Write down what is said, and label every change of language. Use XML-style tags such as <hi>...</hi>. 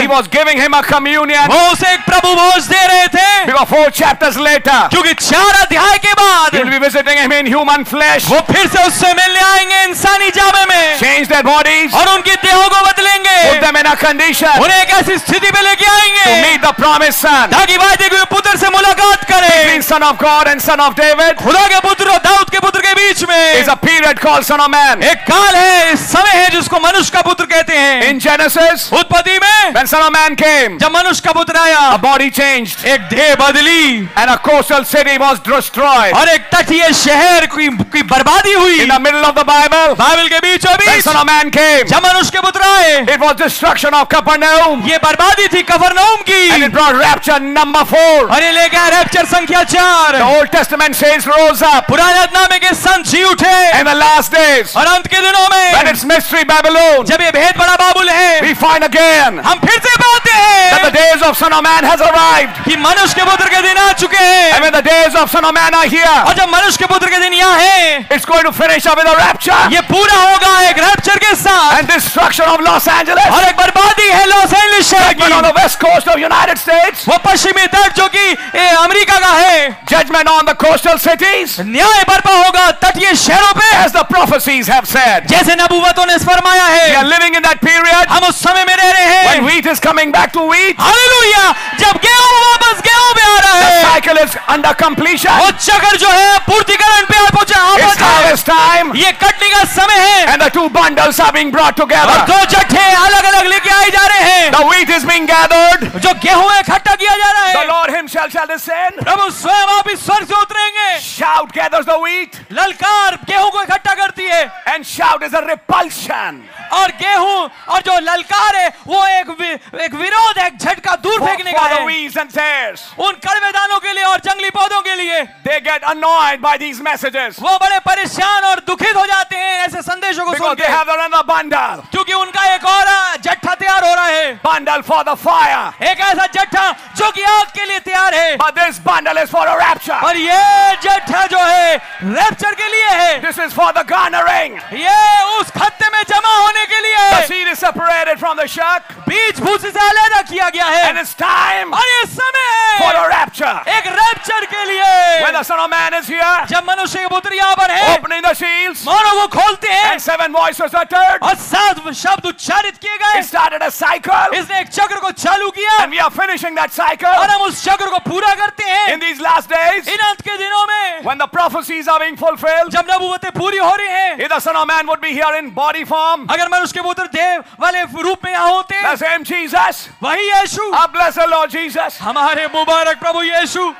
<en>He was giving him a communion.</en> <hi>वो उसे एक प्रभु भोज दे रहे थे.</hi> <en>Because 4 chapters later.</en> <hi>क्योंकि 4 अध्याय के बाद.</hi> <en>He'll be visiting him in human flesh.</en> <hi>वो फिर से उससे मिलने आएंगे इंसानी जामे में.</hi> <en>Change their bodies.</en> <hi>और उनके देहों को बदलेंगे.</hi> <en>Put them in a condition.</en> <hi>उन्हें एक ऐसी स्थिति में लेके आएंगे.</hi> <en>Meet the promised son.</en> <hi>ताकि वादे के पुत्र से मुलाकात करे.</hi> <en>Between son of God and son of David.</en> <hi>खुदा के पुत्र और दाऊद के पुत्र के बीच में.</hi> <en>Is a period called son of man.</en> <hi>एक काल है, समय है जिसको मनुष्य का पुत्र कहते हैं.</hi> <en>In Genesis.</en> <hi>उत्पत्ति में.</hi> <en>When son of man came.</en> <hi>जब मनुष्य का पुत्र आया.</hi> <en>A body changed.</en> <hi>एक देह बदली.</hi> <en>And a coastal city was destroyed.</en> <hi>और एक तटीय शहर की बर्बादी हुई.</hi> <en>In the middle of the Bible.</en> <hi>Bible के बीचों बीच.</hi> <en>When son of man came.</en> <hi>जब मनुष्य के पुत्र आए.</hi> <en>It was destruction of Capernaum.</en> <hi>ये बर्बादी थी कफरनहूम.</hi> <en>And it brought rapture number 4.</en> <hi>अरे ले गया रैप्चर संख्या 4.</hi> <en>The Old Testament saints rose up.</en> <hi>पुराने नामे के संत जी उठे.</hi> <en>In the last days.</en> <hi>और अंत के दिनों में.</hi> <en>When it's mystery Babylon.</en> <hi>जब ये भेद बड़ा बाबुल है.</hi> <en>We find again.</en> <hi>हम फिर से पाते हैं.</hi> <en>That the days of son of man has arrived.</en> <hi>कि मनुष्य के पुत्र के दिन आ चुके हैं.</hi> <en>And when the days of son of man are here.</en> <hi>और जब मनुष्य के पुत्र के दिन यहाँ हैं.</hi> <en>It's going to finish up with a rapture.</en> <hi>ये पूरा होगा एक रैप्चर के साथ.</hi> <en>And destruction of Los Angeles.</en> <hi>और एक बर्बादी है लॉस एंजेलिस शहर की.</hi> <en>On the west coast. United States.</en> <hi>वो पश्चिमी तट जो कि अमेरिका का है.</hi> <en>Judgment on the coastal cities.</en> <hi>न्याय बरपा होगा तटीय शहरों पे.</hi> <en>As the prophecies have said.</en> <hi>जैसे नबूवतों ने फरमाया है.</hi> <en>We are living in that period.</en> <hi>हम उस समय में रह रहे हैं.</hi> <en>When wheat is coming back to wheat.</en> <hi>Hallelujah. जब गेहूं वापस गेहूं में आ रहा है.</hi> <en>The miracle is under completion.</en> <hi>वो चकर जो है पूर्तिकरण पे आ पहुंचा</hi> <en>है. It's harvest time.</en> <hi>ये कटने का समय है.</hi> <en>And the two bundles are being brought together.</en> <hi>और दो जट्ठे अलग-अलग लेके आए जा रहे हैं.</hi> <en>The wheat is being gathered.</en> <hi>जो गेहूं है इकट्ठा किया जा रहा है.</hi> <en>The Lord himself shall descend.</en> <hi>प्रभु स्वयं आप इस स्वर्ग से उतरेंगे.</hi> <en>Shout gathers the wheat.</en> <hi>ललकार गेहूं को इकट्ठा करती है.</hi> <en>And shout is a repulsion.</en> <hi>और गेहूं और जो ललकार है वो एक एक विरोध एक झटका दूर फेंकने का है उन कड़वे दानों के लिए और जंगली पौधों के लिए.</hi> <en>They get annoyed by these messages.</en> <hi>वो बड़े परेशान और दुखित हो जाते हैं ऐसे संदेशों को सुनकर.</hi> <en>They have another bundle.</en> <hi>क्योंकि उनका एक और झटका तैयार हो रहा है.</hi> <en>Bundle for the fire.</en> <hi>एक ऐसा झटका जो कि आग के लिए तैयार है.</hi> <en>But this bundle is for a rapture.</en> <hi>और ये झटका जो है रैप्चर के लिए है.</hi> <en>This is for the garnering.</en> <hi>ये उस खत्ते में जमा होने के लिए.</hi> <en>The seed is separated from the chaff.</en> <hi>बीज भूसे से अलग किया गया है.</hi> <en>And it's time.</en> <hi>और ये समय है.</hi> <en>For a rapture.</en> <hi>एक रैप्चर के लिए.</hi> <en>When the Son of Man is here.</en> <hi>जब मनुष्य की पुत्री यहाँ पर है.</hi> <en>Opening the seals.</en> <hi>मानो वो खोलते हैं.</hi> <en>And seven voices uttered.</en> <hi>और सात शब्द उच्चारित किए गए.</hi> <en>It started a cycle.</en> <hi>इसने एक चक्र को चालू किया.</hi> <en>And we are finishing that cycle.</en> <hi>और हम उस चक्र को पूरा करते हैं.</hi> <en>In these last days.</en> <hi>इन अंत के दिनों में.</hi> <en>When the prophecies are being fulfilled.</en> <hi>जब नबूवतें पूरी हो रही हैं.</hi> <en>If the Son of Man would be here in body form.</en> <hi>अगर मनुष्य के पुत्र देव वाले रूप में यहाँ होते.</hi> <en>The same Jesus.</en> <hi>वही यीशु.</hi> <en>I bless the Lord Jesus.</en> <hi>हमारे मुबारक प्रभु यीशु.</hi>